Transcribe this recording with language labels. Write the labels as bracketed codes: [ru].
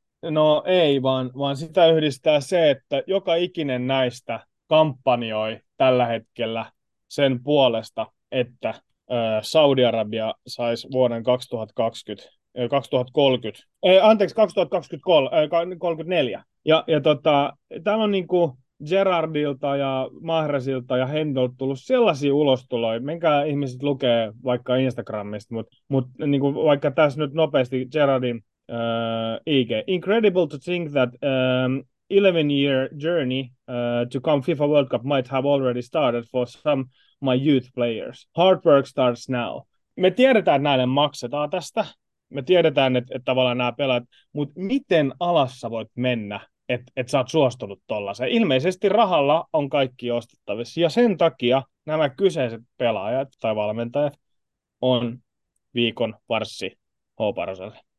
[fi] No ei, vaan sitä yhdistää se, että joka ikinen näistä kampanjoi tällä hetkellä sen puolesta, että Saudi-Arabia saisi vuoden 2034. Täällä on niin kuin Gerardilta ja Mahrezilta ja Hendolta tullut sellaisia ulostuloja, menkää ihmiset lukee vaikka Instagramista, mutta niin kuin vaikka tässä nyt nopeasti Gerardin IG. [en] Incredible to think that 11-year journey to come FIFA World Cup might have already started for some my youth players. Hard work starts now. [fi] Me tiedetään, että näille maksetaan tästä. Me tiedetään, että tavallaan nämä pelaat, mutta miten alas sä voit mennä, että sä oot suostunut tollaiseen? Ilmeisesti rahalla on kaikki ostettavissa, ja sen takia nämä kyseiset pelaajat tai valmentajat on viikon varsi H-Paroselle.